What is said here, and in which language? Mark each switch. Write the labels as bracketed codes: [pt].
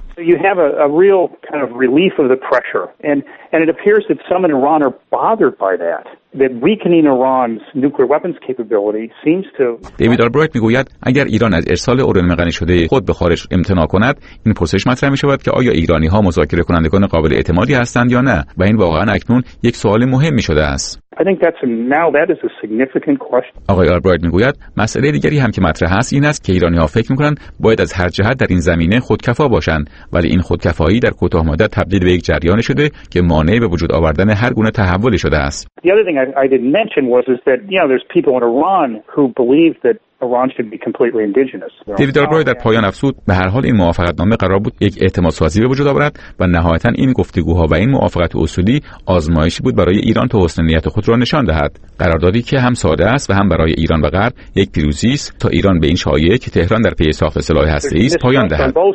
[en] You have a real kind of relief of the pressure, and it appears that some in Iran are bothered by that. That weakening Iran's nuclear weapons capability seems to. [fa] David Albright میگوید اگر ایران از ارسال اورانیوم غنی شده خود به خارج امتناع کند، این پرسش مطرح می‌شود که آیا ایرانی‌ها مذاکره کنندگان قابل اعتمادی هستند یا نه؟ و این واقعاً اکنون یک سوال مهم شده است. [en] I think that's now that is a significant question. [fa] آقای آلبرایت میگوید مسئله دیگری هم که مطرح است این است که ایرانی‌ها فکر می‌کنند باید از هر جهت در این زمینه خودکفا باشند ولی این خودکفایی در کوتاه‌مدت تبدیل به یک جریان شده که مانع به وجود آوردن هر گونه تحولی شده است. [en] The other thing I didn't mention was is that you know there's people in Iran who believe that Iran should be completely indigenous. [fa] دیوید آلبرایت در پایان افزود به هر حال این موافقتنامه قرار بود یک اعتمادسازی به وجود آورد و نهایتاً این گفتگوها و این موافقت اصولی آزمایشی بود برای ایران تا حسن نیت خود را نشان دهد. قراردادی که هم ساده است و هم برای ایران و غرب یک پیروزی است تا ایران به این شایعه که تهران در پی ساخت سلاح هسته‌ای است پایان دهد.